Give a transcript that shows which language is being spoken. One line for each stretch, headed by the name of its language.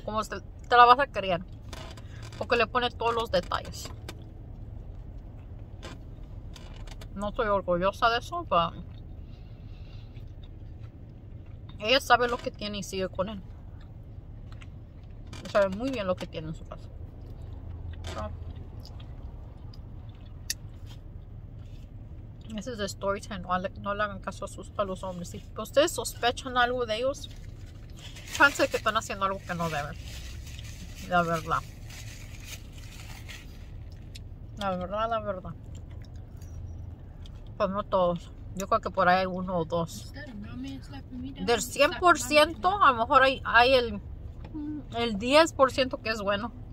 Spanish: Como te la vas a creer. Porque le pone todos los detalles. No estoy orgullosa de eso, pero... ella sabe lo que tiene y sigue con él. Sabe muy bien lo que tiene en su casa.
English: So, this is the story time.
Spanish: No le hagan caso a los hombres. Si ustedes sospechan algo de ellos, chance de que están haciendo algo que no deben. La verdad. La verdad, la verdad. Pues no todos. Yo creo que por ahí hay uno o dos. Del 100%, a lo mejor hay el 10% que es bueno.